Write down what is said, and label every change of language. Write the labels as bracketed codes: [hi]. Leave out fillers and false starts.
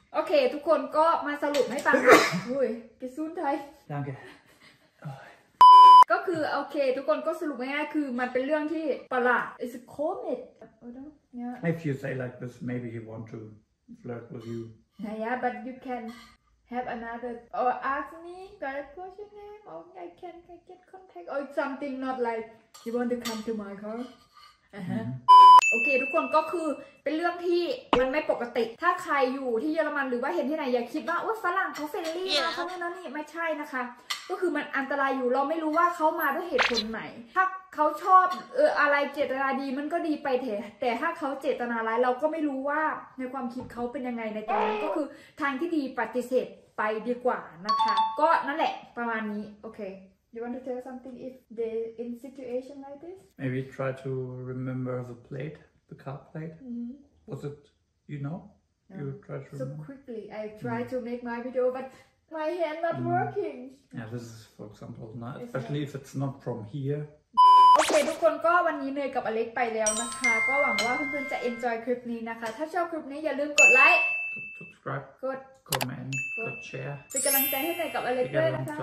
[th] Okay, ทุกคนก็มาสรุปให้ฟังเฮ้ยกิซูนไทย ดังแก ก็คือโอเคทุกคนก็สรุปง่ายๆคือมันเป็นเรื่องที่ประหลาด [en] It's a comet yeah. If you say like this, maybe he want to flirt with you. Yeah, but you can have another or ask me, can I push your name? Or I can get contact or something not like you want to come to my car. [th] โอเคทุกคนก็คือเป็นเรื่องที่มันไม่ปกติถ้าใครอยู่ที่เยอรมันหรือว่าเห็นที่ไหนอย่าคิดว่าโอ๊ยฝรั่งเขาเฟรนลี่นะเขาไม่นั่นนี่ไม่ใช่นะคะก็คือมันอันตรายอยู่เราไม่รู้ว่าเขามาด้วยเหตุผลไหนถ้าเขาชอบอะไรเจตนาดีมันก็ดีไปเถอะแต่ถ้าเขาเจตนาร้ายเราก็ไม่รู้ว่าในความคิดเขาเป็นยังไงในตอนนั้นก็คือทางที่ดีปฏิเสธไปดีกว่านะคะก็นั่นแหละประมาณนี้โอเค [en] You want to tell something if they're in situation like this? Maybe try to remember the plate, the car plate. Mm-hmm. Was it, you know? No. You try to so remember? So quickly, I try to make my video, but my hand not working. Yeah, this is, for example, not, especially if it's not from here. [th] โอเคทุกคนก็วันนี้เนยกับอเล็กไปแล้วนะคะก็หวังว่าเพื่อนๆจะ enjoy คลิปนี้นะคะถ้าชอบคลิปนี้อย่าลืมกดไล [en] ค์ subscribe [th] กด [en] comment กด share [th] เป็นกำลังใจให้เนยกับอเล็กด้วยนะคะ